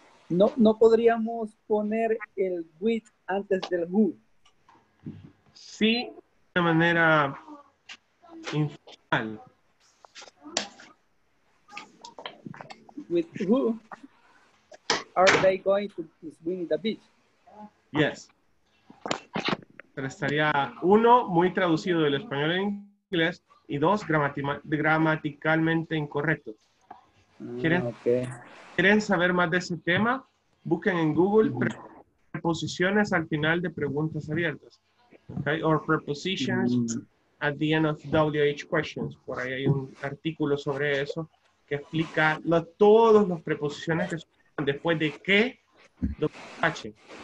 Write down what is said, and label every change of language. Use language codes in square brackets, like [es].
[es] No podríamos poner el with antes del who. Sí, de una manera informal. [en] With who are they going to swim the beach? Yes. [es] Pero estaría uno, muy traducido del español en inglés, y dos, gramaticalmente incorrecto. ¿Quieren, okay. ¿Quieren saber más de ese tema? Busquen en Google preposiciones al final de preguntas abiertas. [en] Okay? Or prepositions at the end of WH questions. [es] Por ahí hay un artículo sobre eso que explica todas las preposiciones que son después de que WH.